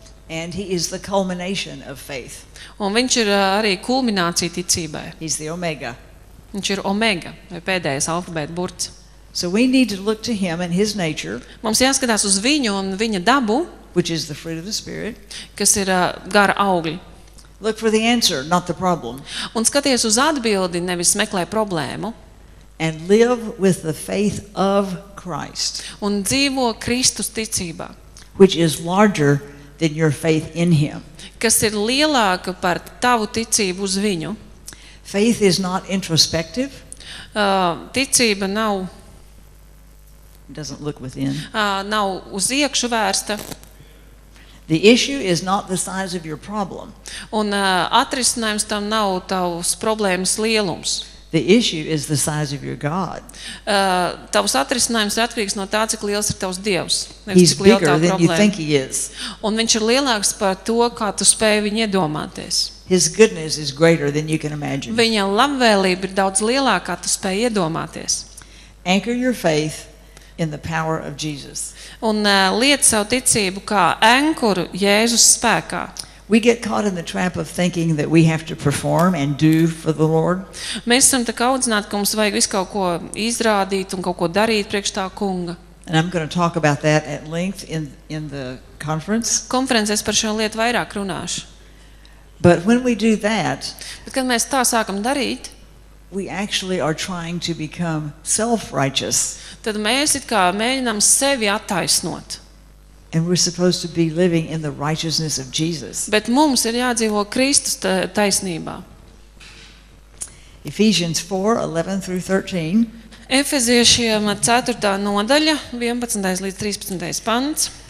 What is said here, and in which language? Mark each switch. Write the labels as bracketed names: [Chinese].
[English] And he is the culmination of faith. [Latvian] Un viņš ir arī kulminācija ticībai. [English] He's the omega. [Latvian] Viņš ir omega, vai pēdējais alfabēta burts. [English] So we need to look to him and his nature. [Latvian] Mums jāskatās uz viņu un viņa dabu, [English] which is the fruit of the spirit, [Latvian] kas ir gara augļi. [English] Look for the answer, not the problem. [Latvian] Un skaties uz atbildi, nevis meklē problēmu. [English] And live with the faith of Christ. [Latvian] Un dzīvo Kristus ticībā. [English] Which is larger than your faith in him. [Latvian] Kas ir lielāka par tavu ticību uz viņu. [English] Faith is not introspective. [Latvian] Ticība nav [English] doesn't look within. [Latvian] Nav uz iekšu vērsta. [English] The issue is not the size of your problem. [Latvian] Un atrisinājums tam nav tavs problēmas lielums. [English] The issue is the size of your God. [Latvian] Tavs atrisinājums ir atkarīgs no tā, cik liels ir tavs Dievs. [English] He's bigger than you think he is. [Latvian] Un viņš ir lielāks par to, kā tu spēji viņu iedomāties. [English] His goodness is greater than you can imagine. [Latvian] Viņa labvēlība ir daudz lielāka, kā tu spēji iedomāties. [English] Anchor your faith in the power of Jesus. [Latvian] Un liec savu ticību kā ankuru Jēzus spēkā. [English] We get caught in the trap of thinking that we have to perform and do for the Lord. [Latvian] Mēs esam tā audzināti, ka mums vajag visu kaut ko izrādīt un kaut ko darīt priekš tā Kunga. [English] And I'm going to talk about that at length in the conference. [Latvian] Konferencē par šo lietu vairāk runāšu. [English] But when we do that, [Latvian] bet kad mēs tā sākam darīt, [English] we actually are trying to become self-righteous. [Latvian] Tad mēs it kā mēģinām sevi attaisnot. [English] And we're supposed to be living in the righteousness of Jesus. [Latvian] Bet mums ir jādzīvo Kristus taisnībā. [English] Ephesians 4:11-13. [Latvian] Efeziešiem 4. Nodaļa, 11. Līdz 13. Pants.